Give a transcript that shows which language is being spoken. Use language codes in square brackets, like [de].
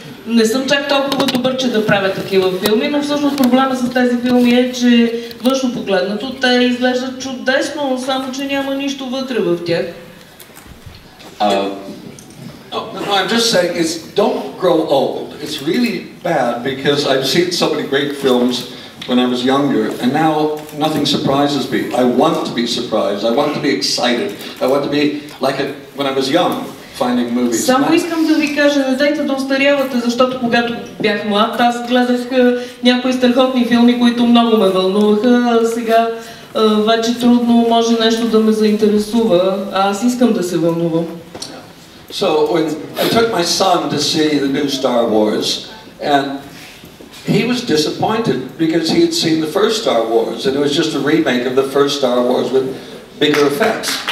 [bg] Не съм чак толкова добър, че да правя такива филми, но всъщност проблема с тези филми е, че външно погледнато те изглеждат чудесно, само че няма нищо вътре в тях. [en] No, I'm just saying is don't grow old. It's really bad because I've seen so many great films when I was younger, and now nothing surprises me. I want to be surprised, I want to be excited, I want to be like it when I was young. [bg] Само искам да ви кажа, не дайте да остарявате, защото когато бях млад, аз гледах някои страхотни филми, които много ме вълнуваха, а сега вече трудно може нещо да ме заинтересува, а аз искам да се вълнувам. [en] So when I took my son to see the new Star Wars, and he was disappointed because he had seen the first Star Wars, and it was just a remake of the first Star Wars with bigger effects.